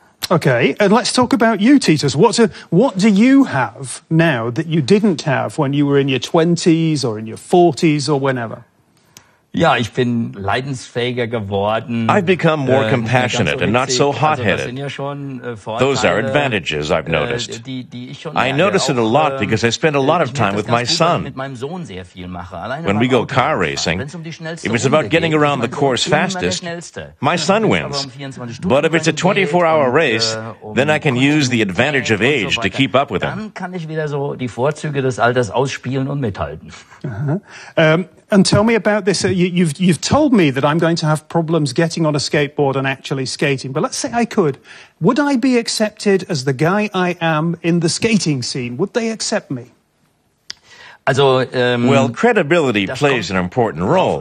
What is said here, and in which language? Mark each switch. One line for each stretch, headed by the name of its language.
English: Okay, and let's talk about you, Titus. What do you have now that you didn't have when you were in your 20s or in your 40s or whenever?
German: Ich bin leidensfähiger geworden.
English: I've become more compassionate and not so hot-headed. Those are advantages I've noticed. I notice it a lot because I spend a lot of time with my son. When we go car racing, if it's about getting around the course fastest, my son wins. But if it's a 24-hour race, then I can use the advantage of age to keep up with him.
German: Dann kann ich wieder so die Vorzüge des Alters ausspielen und mithalten.
English: And tell me about this. You've told me that I'm going to have problems getting on a skateboard and actually skating. But let's say I could. Would I be accepted as the guy I am in the skating scene? Would they accept me? Well, credibility plays an important role.